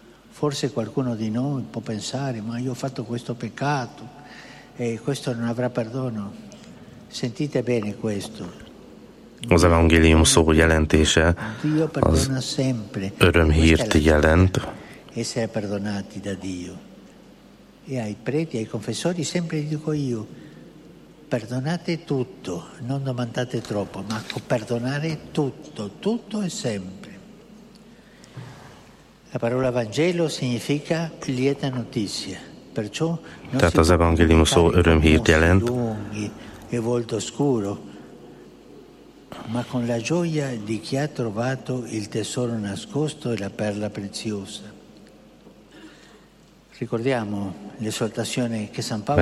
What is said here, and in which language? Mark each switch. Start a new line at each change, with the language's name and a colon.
Italian: Forse qualcuno di noi può pensare, ma io ho fatto questo peccato e questo non avrà perdono. Sentite bene questo.
Hungarian: Az evangélium szó jelentése
Italian: Dio perdona sempre.
Hungarian: Örömhírt jelent.
Italian: Essere perdonati da Dio. E ai preti, ai confessori sempre dico io, perdonate tutto, non domandate troppo, ma perdonare tutto, tutto e sempre. La parola Vangelo significa lieta notizia. Perciò
Hungarian: non tehát az evangélium szó örömhírt jelent.
Italian: E volto scuro, ma con la gioia di chi ha trovato il tesoro nascosto e la perla preziosa. Ricordiamo l'esortazione che San Paolo.